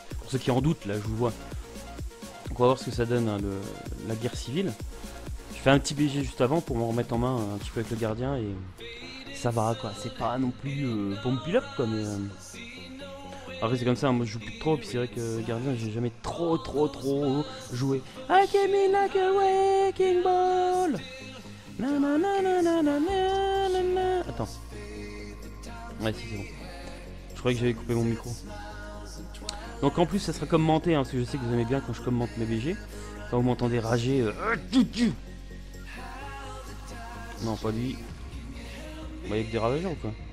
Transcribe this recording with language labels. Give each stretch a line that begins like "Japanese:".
French: Pour ceux qui en doutent, là, je vous vois. Donc, on va voir ce que ça donne, hein, la guerre civile. Un petit BG juste avant pour m'en remettre en main un petit peu avec le gardien et ça va quoi, c'est pas non plus bombe pilote quoi, mais après c'est comme ça, moi je joue plus trop, puis c'est vrai que gardien j'ai jamais trop joué.
English: I came in like a wrecking ball. Nanana.
French: Attends, ouais si c'est bon, je croyais que j'avais coupé mon micro. Donc en plus ça sera commenté, hein, parce que je sais que vous aimez bien quand je commente mes BG, quand vous m'entendez rager Non, pas lui. Il y a que des ravageurs ou quoi?